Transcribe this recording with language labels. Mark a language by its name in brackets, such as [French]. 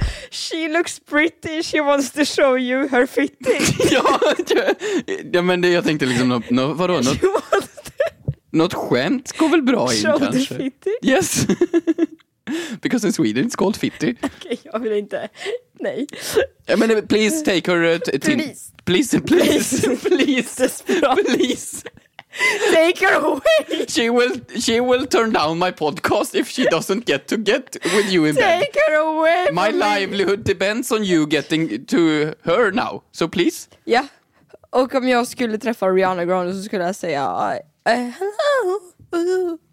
[English] She looks pretty, she wants to show you her fitty. [Swedish] ja, men det jag tänkte liksom, vadå? Något skämt går väl bra in, [English] show [Swedish] kanske? [English] Show the fitty? Yes. Because in Sweden it's called fitty. [Swedish] Okej, okay, jag vill inte. Nej. Ja, men [English] please take her... Please. Take her away. She will turn down my podcast if she doesn't get to get with you in take bed. Take her away. My livelihood depends on you getting to her now. So please. Ja. Yeah. [Swedish] Och om jag skulle träffa Ariana Grande så skulle jag säga hello.